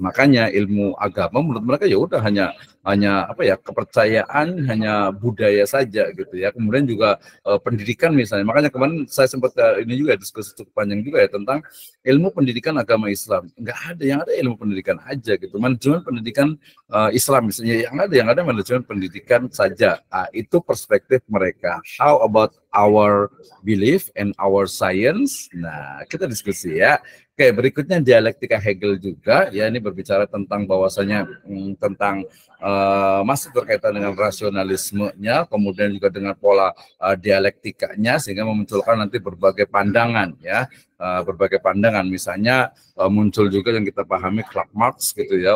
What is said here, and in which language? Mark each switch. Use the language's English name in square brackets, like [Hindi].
[Indonesian] Makanya ilmu agama menurut mereka ya udah hanya apa ya, kepercayaan, hanya budaya saja gitu ya. Kemudian juga pendidikan misalnya. Makanya kemarin saya sempat ini juga diskusi cukup panjang juga ya tentang ilmu pendidikan agama Islam. Enggak ada, yang ada ilmu pendidikan aja gitu. Manajemen pendidikan Islam misalnya, yang ada manajemen pendidikan saja. Itu perspektif mereka. [English] How about our belief and our science? [Indonesian] Nah, kita diskusi ya. Oke, berikutnya dialektika Hegel juga ya, ini berbicara tentang bahwasanya tentang masih berkaitan dengan rasionalismenya, kemudian juga dengan pola dialektikanya sehingga memunculkan nanti berbagai pandangan ya. Berbagai pandangan misalnya muncul juga yang kita pahami Karl Marx gitu ya.